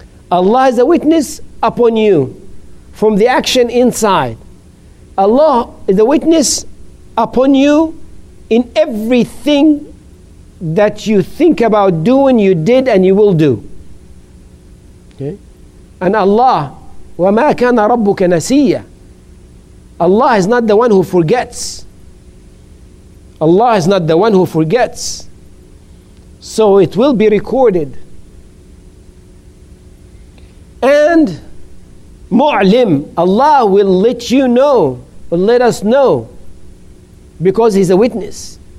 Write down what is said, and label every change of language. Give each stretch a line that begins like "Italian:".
English: Allah is a witness upon you from the action inside. Allah is a witness upon you in everything that you think about doing, you did, and you will do. Okay? And Allah,
Arabic: وَمَا كَانَ رَبُّكَ نَسِيَّ.
English: Allah is not the one who forgets. Allah is not the one who forgets. So it will be recorded. And مُعْلِم, Allah will let you know, will let us know, because he's a witness.